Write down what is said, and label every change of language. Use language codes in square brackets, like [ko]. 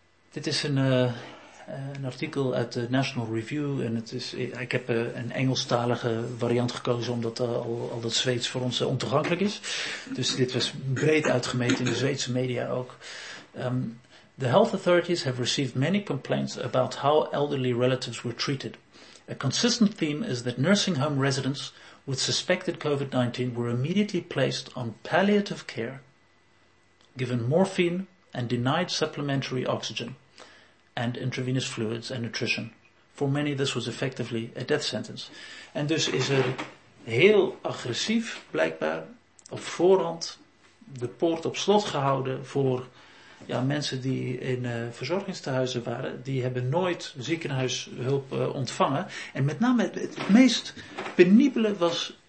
[nl] Dit is een artikel uit de National Review. En ik heb een Engelstalige variant gekozen omdat al dat Zweeds voor ons ontoegankelijk is. Dus dit was breed uitgemeten in de Zweedse media ook. [en] The health authorities have received many complaints about how elderly relatives were treated. A consistent theme is that nursing home residents with suspected COVID-19 were immediately placed on palliative care, given morphine and denied supplementary oxygen and intravenous fluids and nutrition. For many, this was effectively a death sentence. [nl] And dus is er heel agressief, blijkbaar, op voorhand de poort op slot gehouden voor mensen die in verzorgingstehuizen waren, die hebben nooit ziekenhuishulp ontvangen. En met name het meest penibele was